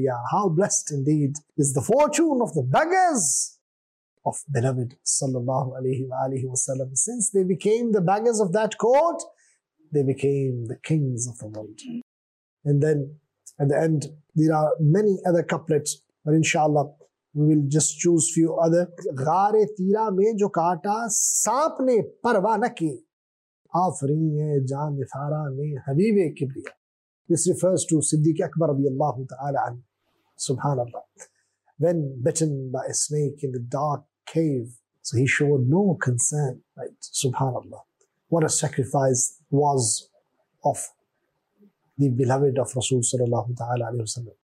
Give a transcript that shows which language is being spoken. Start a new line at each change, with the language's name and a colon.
English: How blessed indeed is the fortune of the beggars of beloved sallallahu alayhi wa alihi wa sallam. Since they became the beggars of that court, they became the kings of the world. And then at the end, there are many other couplets But inshallah, we will just choose few other.
Urdu: غار تیرہ میں جو کاٹا سانپ نے پروا نہ کی آفری ہے جان نثارا نے حبیب کبریا.
English: This refers to Siddiq Akbar radiallahu ta'ala anhu. Subhanallah. When bitten by a snake in the dark cave, so he showed no concern, right? Subhanallah. What a sacrifice was of the beloved of Rasul sallallahu ta'ala alayhi wa sallam.